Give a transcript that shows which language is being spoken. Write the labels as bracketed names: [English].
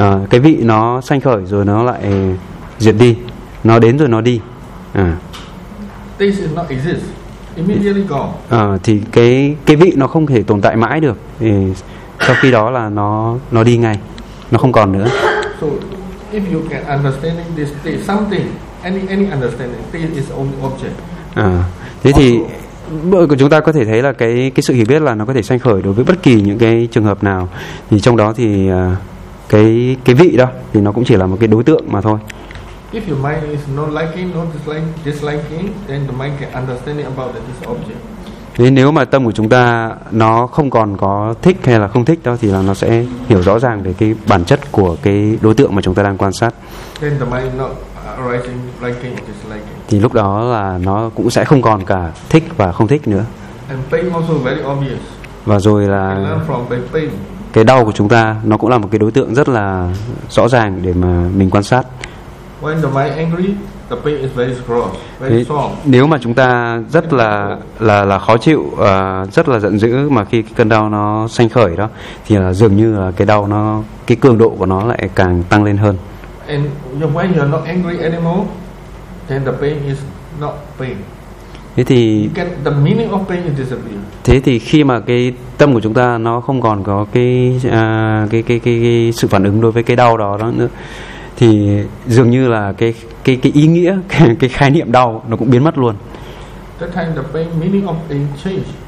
[Vietnamese] Cái vị nó sanh khởi rồi nó lại diệt đi, nó đến rồi nó đi. [English] Taste is not exist immediately gone. [Vietnamese] Thì cái vị nó không thể tồn tại mãi được, thì sau khi đó là nó đi ngay, nó không còn nữa. [English] So if you can understand this taste, something, any understanding, taste is only object. [Vietnamese] Thế thì chúng ta có thể thấy là cái sự hiểu biết là nó có thể sanh khởi đối với bất kỳ những cái trường hợp nào, thì trong đó thì cái vị đó thì nó cũng chỉ là một cái đối tượng mà thôi. [English] If your mind is not liking, not disliking, then the mind can understand about this object. [Vietnamese] Thế nếu mà tâm của chúng ta nó không còn có thích hay là không thích đó, thì là nó sẽ hiểu rõ ràng về cái bản chất của cái đối tượng mà chúng ta đang quan sát. [English] Then the mind not arising, liking, disliking. [Vietnamese] Thì lúc đó là nó cũng sẽ không còn cả thích và không thích nữa. [English] And pain also very obvious. [Vietnamese] Và rồi là [English] pain. [Vietnamese] Cái đau của chúng ta nó cũng là một cái đối tượng rất là rõ ràng để mà mình quan sát. [English] When the mind angry, the pain is very strong, very strong. [Vietnamese] Nếu mà chúng ta rất là khó chịu, rất là giận dữ mà khi cái cơn đau nó sanh khởi đó, thì là dường như là cái đau nó, cái cường độ của nó lại càng tăng lên hơn. [English] And when you're not angry anymore, then the pain is not pain. [Vietnamese] Thế thì [English] the meaning of pain is disappear. [Vietnamese] Thế thì khi mà cái tâm của chúng ta nó không còn có cái sự phản ứng đối với cái đau đó nữa, thì dường như là cái ý nghĩa, cái khái niệm đau nó cũng biến mất luôn. [English] That time the pain meaning of pain change.